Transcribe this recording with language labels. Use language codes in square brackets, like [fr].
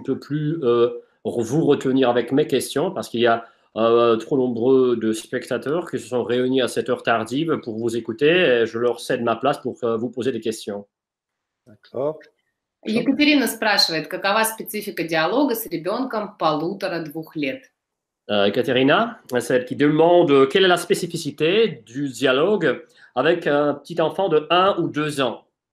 [fr] Je ne peux plus vous retenir avec mes questions, parce qu'il y a trop nombreux de spectateurs qui se sont réunis à cette heure tardive pour vous écouter. Je leur cède ma place pour vous poser des questions. D'accord. [ru] Екатерина спрашивает, какова специфика диалога с ребенком полутора-двух лет? [fr] Екатерина, c'est elle qui demande quelle est la spécificité du dialogue avec un petit enfant de 1 ou 2 ans.